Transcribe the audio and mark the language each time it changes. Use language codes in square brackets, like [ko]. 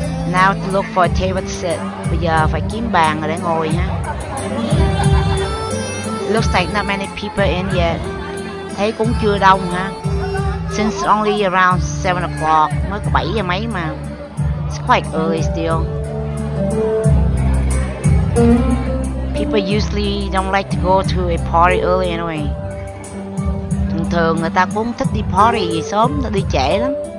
[en] Now to look for a table to sit. [vi] Bây giờ phải kiếm bàn rồi để ngồi ha. [en] Looks like not many people in yet. [vi] Thấy cũng chưa đông ha. [en] Since only around 7 o'clock, [vi] mới có 7 giờ mấy mà. [en] It's quite early still. People usually don't like to go to a party early anyway. [vi] Thường thường người ta cũng thích đi party gì sớm, ta đi trễ lắm.